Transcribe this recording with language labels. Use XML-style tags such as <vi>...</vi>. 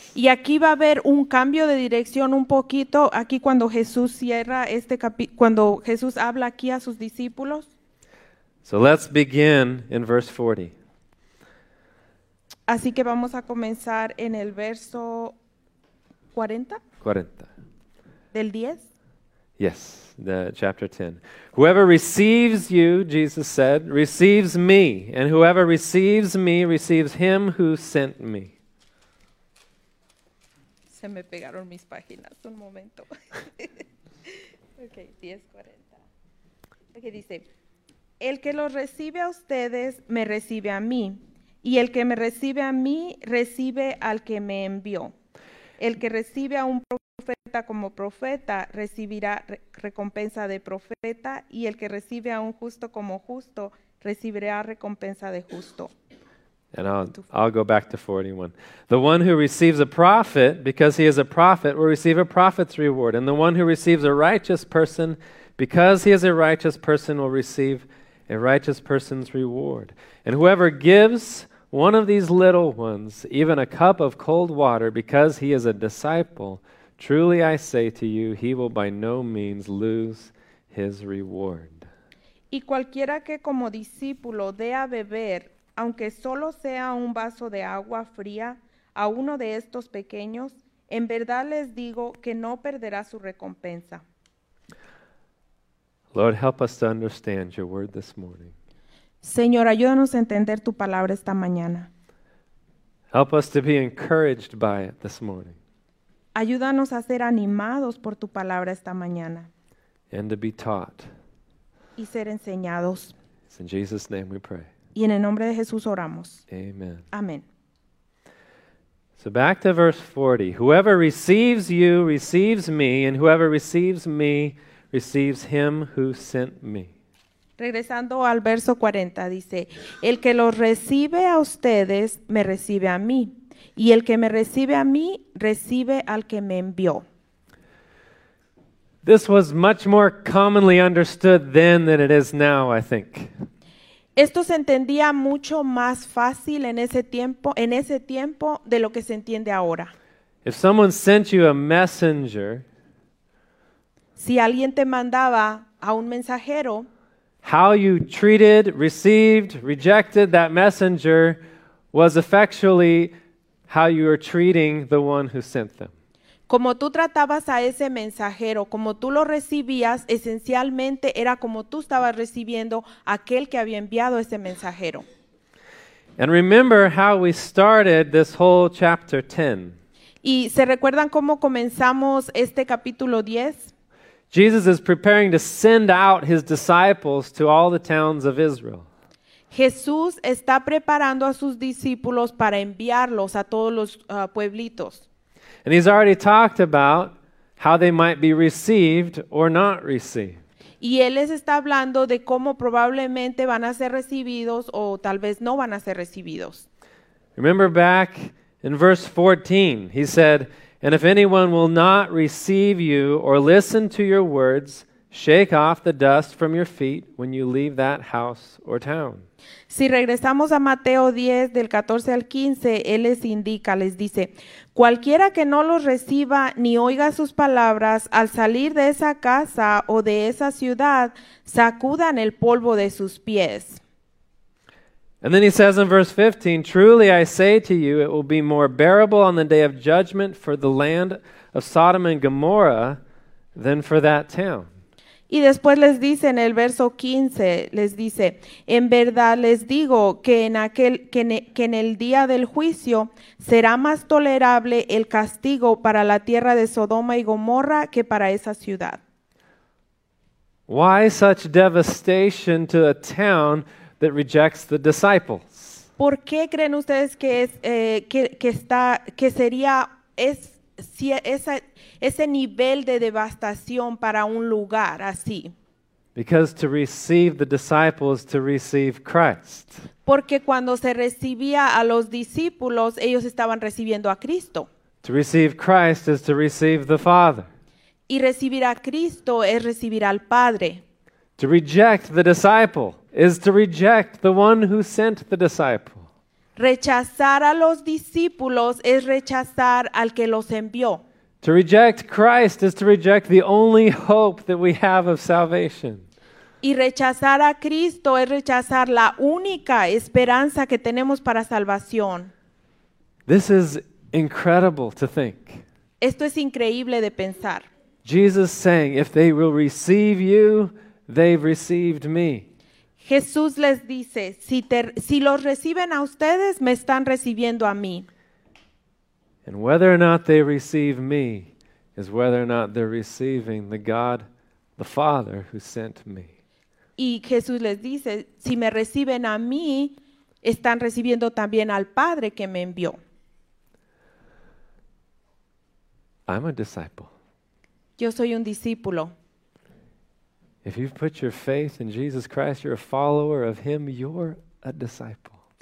<es>Y aquí va a haber un cambio de dirección un poquito aquí cuando Jesús cierra cuando Jesús habla aquí a sus discípulos.</es> <en>So let's begin in verse 40.</en> <es>Así que vamos a comenzar en el verso 40. 40. Del 10.</es> <en>Yes, the chapter 10. Whoever receives you, Jesus said, receives me, and whoever receives me receives him who sent me.</en> <es>Se me pegaron mis páginas un momento. Okay, 10:40. Okay, dice, el que los recibe a ustedes me recibe a mí, y el que me recibe a mí recibe al que me envió. El que recibe a un profeta como profeta recibirá recompensa de profeta, y el que recibe a un justo como justo recibirá recompensa de justo.</es> <en>And I'll go back to 41. The one who receives a prophet because he is a prophet will receive a prophet's reward, and the one who receives a righteous person because he is a righteous person will receive a righteous person's reward. And whoever gives one of these little ones, even a cup of cold water, because he is a disciple, truly I say to you, he will by no means lose his reward.</en> <es>Y cualquiera que como discípulo dé a beber, aunque solo sea un vaso de agua fría, a uno de estos pequeños, en verdad les digo que no perderá su recompensa.</es> <en>Lord, help us to understand your word this morning.</en> <es>Señor, ayúdanos a entender tu palabra esta mañana.</es> <en>Help us to be encouraged by it this morning.</en> <es>Ayúdanos a ser animados por tu palabra esta mañana.</es> <en>And to be taught.</en> <es>Y ser enseñados.</es> <en>It's in Jesus' name we pray.</en> <es>Y en el nombre de Jesús oramos.</es> <en>Amen.</en> <es>Amén.</es> <en>So back to verse 40. Whoever receives you receives me, and whoever receives me receives him who sent me.</en> <es>Regresando al verso 40, dice, el que los recibe a ustedes, me recibe a mí, y el que me recibe a mí, recibe al que me envió.</es> <en>This was much more commonly understood then than it is now, I think.</en> <es>Esto se entendía mucho más fácil en ese tiempo de lo que se entiende ahora.</es> <en>If someone sent you a messenger,</en> <es>si alguien te mandaba a un mensajero,</es> <en>how you treated, received, rejected that messenger was effectually how you were treating the one who sent them.</en> <es>Como tú tratabas a ese mensajero, como tú lo recibías, esencialmente era como tú estabas recibiendo aquel que había enviado ese mensajero.</es> <en>And remember how we started this whole chapter 10.</en> <es>¿Y se recuerdan cómo comenzamos este capítulo 10?</es> <en>Jesus is preparing to send out his disciples to all the towns of Israel.</en> <es>Jesús está preparando a sus discípulos para enviarlos a todos los pueblitos.</es> <en>And he's already talked about how they might be received or not received.</en> <es>Y él les está hablando de cómo probablemente van a ser recibidos o tal vez no van a ser recibidos.</es> <en>Remember back in verse 14, he said, and if anyone will not receive you or listen to your words, shake off the dust from your feet when you leave that house or town.</en> <es>Si regresamos a Mateo 10, del 14 al 15, él les indica, les dice, cualquiera que no los reciba ni oiga sus palabras al salir de esa casa o de esa ciudad, sacudan el polvo de sus pies.</es> <en>And then he says in verse 15, truly I say to you, it will be more bearable on the day of judgment for the land of Sodom and Gomorrah than for that town.</en> <es>Y después les dice en el verso 15, les dice, en verdad les digo que en el día del juicio será más tolerable el castigo para la tierra de Sodoma y Gomorra que para esa ciudad.</es> <en>Why such devastation to a town that rejects the disciples?</en> <es>¿Por qué creen ustedes que sería ese nivel de devastación para un lugar así?</es> <en>Because to receive the disciples to receive Christ.</en> <es>Porque cuando se recibía a los discípulos, ellos estaban recibiendo a Cristo.</es> <en>To receive Christ is to receive the Father.</en> <es>Y recibir a Cristo es recibir al Padre.</es> <en>To reject the disciple is to reject the one who sent the disciple.</en> <es>Rechazar a los discípulos es rechazar al que los envió.</es> <en>To reject Christ is to reject the only hope that we have of salvation.</en> <es>Y rechazar a Cristo es rechazar la única esperanza que tenemos para salvación.</es> <en>This is incredible to think.</en> <es>Esto es increíble de pensar.</es> <en>Jesus saying, if they will receive you, they've received me.</en> <es>Jesús les dice, si los reciben a ustedes, me están recibiendo a mí.</es> <en>And whether or not they receive me is whether or not they're receiving the God, the Father, who sent me.</en> <es>Y Jesús les dice, si me reciben a mí, están recibiendo también al Padre que me envió.</es> <en>I'm a disciple.</en> <es>Yo soy un discípulo.</es> <en>If you've put your faith in Jesus Christ, you're a follower of Him, you're a disciple.</en>